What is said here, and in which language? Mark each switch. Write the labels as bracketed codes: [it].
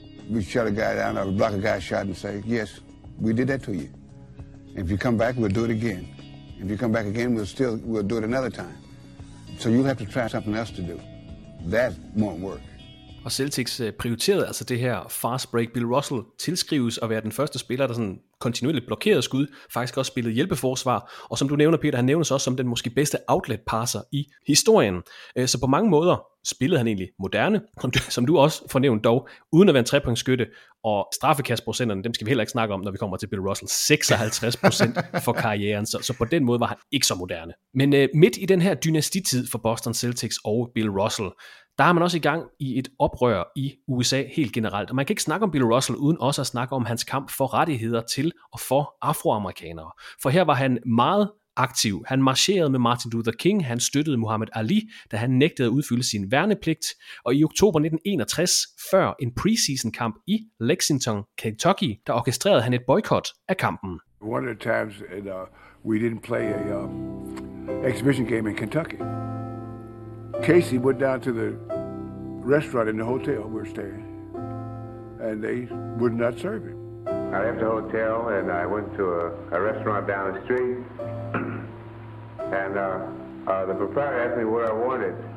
[en] We shut a guy down or block a guy's shot and say, yes, we did that to you. And if you come back, we'll do it again. If you come back again, we'll do it another time. So you'll have to try something else to do. That won't work. [da] Og Celtics prioriterede altså det her fast break. Bill Russell tilskrives at være den første spiller, der sådan kontinuerligt blokerede skud, faktisk også spillede hjælpeforsvar, og som du nævner, Peter, han nævnes også som den måske bedste outlet passer i historien. Så på mange måder spillede han egentlig moderne, som du også fornævnte dog, uden at være en 3-pointsskytte, og straffekastprocenterne, dem skal vi heller ikke snakke om, når vi kommer til Bill Russell, 56% for karrieren, så på den måde var han ikke så moderne. Men midt i den her dynastitid for Boston Celtics og Bill Russell, der har man også i gang i et oprør i USA helt generelt, og man kan ikke snakke om Bill Russell uden også at snakke om hans kamp for rettigheder til og for afroamerikanere. For her var han meget aktiv. Han marcherede med Martin Luther King, han støttede Muhammad Ali, da han nægtede at udfylde sin værnepligt, og i oktober 1961, før en preseason kamp i Lexington, Kentucky, der orkestrerede han et boykot af kampen. [en] One of the times that we didn't play a exhibition game in Kentucky. Casey went down to the restaurant in the hotel we were staying, and they would not serve him. I left the hotel and I went to a restaurant down the street, and the proprietor asked me what I wanted,